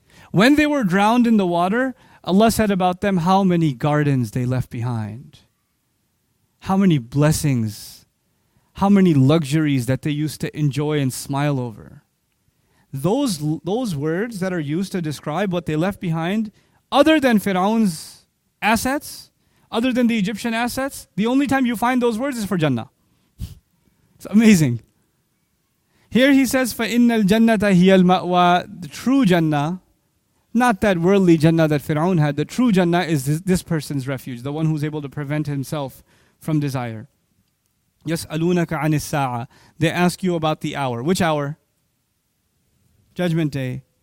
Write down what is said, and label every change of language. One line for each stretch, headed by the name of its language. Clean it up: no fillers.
English: When they were drowned in the water, Allah said about them how many gardens they left behind, how many blessings, how many luxuries that they used to enjoy and smile over. Those words that are used to describe what they left behind, other than Fir'aun's assets, other than the Egyptian assets, the only time you find those words is for Jannah. It's amazing. Here he says,
Arabic: فَإِنَّ الْجَنَّةَ هِيَ الْمَأْوَىٰ.
English: The true Jannah, not that worldly Jannah that Fir'aun had, the true Jannah is this person's refuge, the one who's able to prevent himself from desire.
Arabic: يَسْأَلُونَكَ عَنِ السَّاعَةِ.
English: They ask you about the hour. Which hour? Judgment Day.